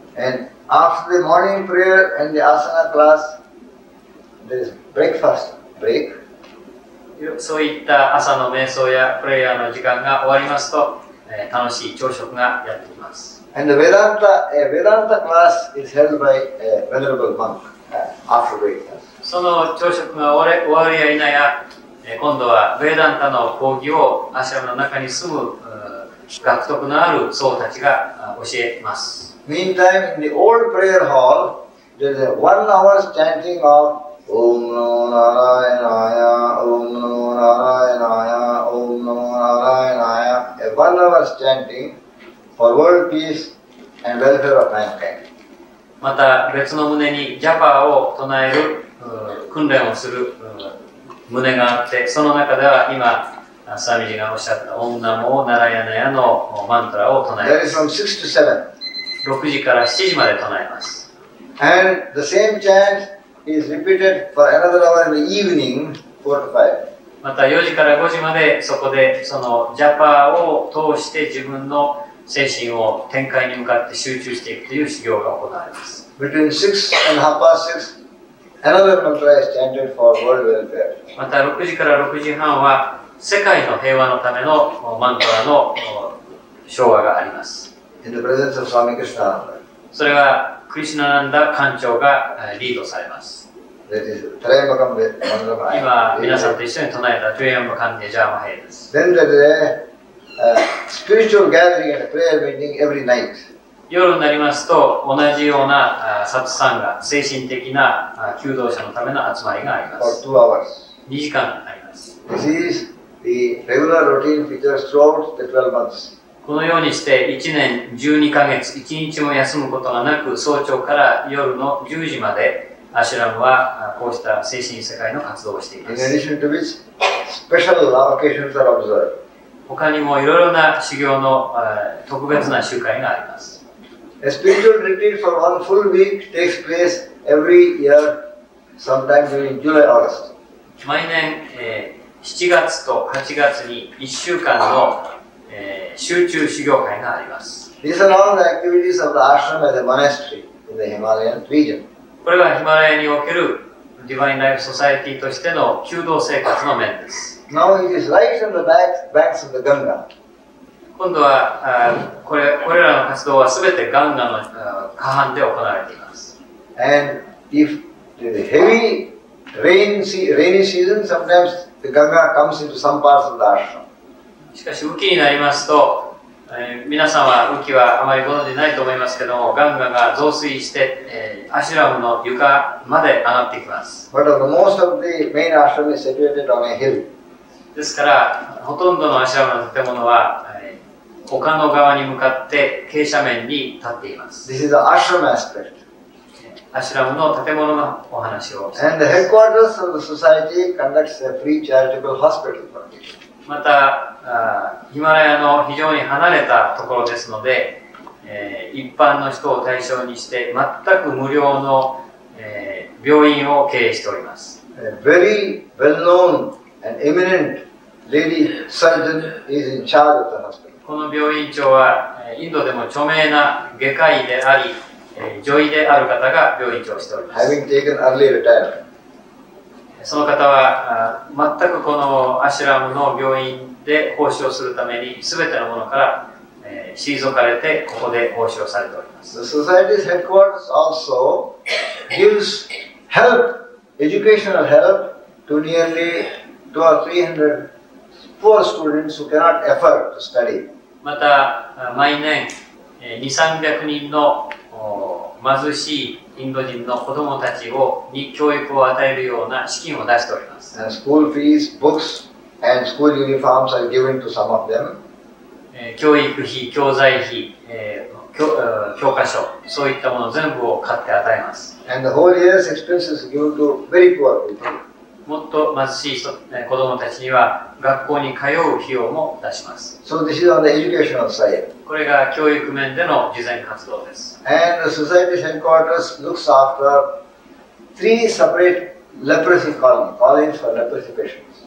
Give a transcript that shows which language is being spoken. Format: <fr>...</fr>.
<en>And after the morning prayer and the asana class, there is breakfast break.</en> <ja>そういった朝の瞑想やプレイヤーの時間が終わりますと、楽しい朝食がやってきます。</ja> <en>And the Vedanta, a Vedanta class is held by a venerable monk after breakfast.</en> <ja>その朝食が終わるや否や、今度は Vedanta の講義をアシュラムの中に住む学徳のある僧たちが教えます。</ja> <en>Meantime, in the old prayer hall, there is a 1 hour chanting of Om Namo Narayanaya, Om Namo Narayanaya, Om Namo Narayanaya. A 1 hour chantingFor world peace and welfare of mankind.</en> <ja>また別の胸にジャパを唱える訓練をする胸があって、その中では今スワミジがおっしゃったオンナモナラヤナヤのマントラを唱えます。</ja> <en>That is from 6 to 7.</en> <ja>6時から7時まで唱えます。</ja> <en>And the same chant is repeated for another hour in the evening, 4 to 5.</en> <ja>また4時から5時までそこでそのジャパを通して自分の精神を展開に向かって集中していくという修行が行われます。</ja> <en>Between 6 and half past 6, another mantra is chanted for world welfare.</en> <ja>また6時から6時半は世界の平和のためのマントラの唱和があります。</ja> <en>In the presence of Swami Krishnananda.</en> <ja>それはクリシュナランダ館長がリードされます。今皆さんと一緒に唱えたトゥエンバカンデジャーマヘイです。</ja> <en>Then there is a spiritual gathering and a prayer meeting every night.</en> <ja>夜になりますと同じようなサツサンガ、精神的な求道者のための集まりがあります。</ja> <en>For 2 hours.</en> <ja>2時間あります。</ja> <en>This is the regular routine features throughout the 12 months.</en> <ja>このようにして1年12ヶ月、1日も休むことがなく、早朝から夜の10時までアシュラムはこうした精神世界の活動をしています。</ja> <en>In addition to which, special allocations are observed.</en> <ja>他にもいろいろな修行の特別な集会があります。</ja> <en>A spiritual retreat for one full week takes place every year, sometimes during July, August.</en> <ja>毎年、7月と8月に1週間の、集中修行会があります。</ja> <en>These are all the activities of the ashram and the monastery in the Himalayan region.</en> <ja>これがヒマラヤにおけるディヴァイン・ライフ・ソサエティとしての求道生活の面です。</ja> <en>Now it is right on the banks of the Ganga.</en> <ja>今度は、これらの活動は全てガンガの河畔で行われています。</ja> <en>And if the heavy rainy season, sometimes The Ganga comes into some parts of the ashram.</en> <ja>しかし、雨季になりますと、皆さんは雨季はあまりご存じないと思いますけども、ガンガが増水して、アシュラムの床まで上がってきます。</ja> <en>But the most of the main ashram is situated on a hill.</en> <ja>ですから、ほとんどのアシュラムの建物は、丘の側に向かって傾斜面に立っています。</ja> <en>This is the ashram aspect.</en> <ja>アシュラムの建物のお話を。</ja> <en>And the headquarters of the society conducts a free charitable hospital for people.</en> <ja>また、ヒマラヤの非常に離れたところですので、一般の人を対象にして全く無料の、病院を経営しております。</ja> <en>A very well-known and eminent lady surgeon is in charge of the hospital.</en> <ja>この病院長は、インドでも著名な外科医であり、女医である方が病院長をしております。</ja> <en>Having taken early retirement.</en> <ja>その方は全くこのアシュラムの病院で奉仕をするために全てのものから、退かれてここで奉仕をされております。</ja> <en>The society's headquarters also gives help, educational help to nearly 200-300 poor students who cannot afford to study.</en> <ja>また毎年200-300人の貧しいインド人の子供たちをに教育を与えるような資金を出しております。</ja> <en>And school fees, books, and school uniforms are given to some of them.</en> <ja>教育費、教材費、教科書、そういったもの全部を買って与えます。</ja> <en>And the whole year's expenses are given to very poor people.</en> <ja>もっと貧しい子供たちには学校に通う費用も出します。</ja> <en>So this is on the educational side.</en> <ja>これが教育面での慈善活動です。</ja> <en>And the society's headquarters looks after three separate leprosy colonies for leprosy patients.</en>